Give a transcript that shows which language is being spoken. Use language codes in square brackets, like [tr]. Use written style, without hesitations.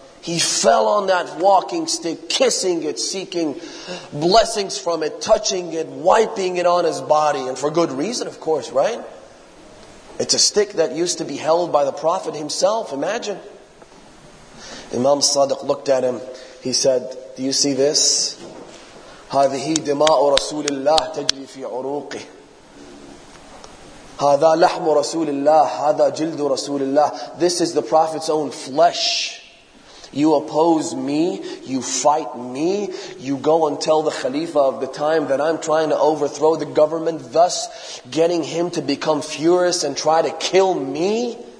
[en] He fell on that walking stick, kissing it, seeking blessings from it, touching it, wiping it on his body. And for good reason, of course, right? It's a stick that used to be held by the Prophet himself. Imagine. Imam Sadiq looked at him. He said, "Do you see this? [ar] هذه دماء رسول الله تجري في عروقه. هذا لحم رسول الله. هذا جلد رسول الله. [en] This is the Prophet's own flesh. You oppose me, you fight me, you go and tell the Khalifa of the time that I'm trying to overthrow the government, thus getting him to become furious and try to kill me.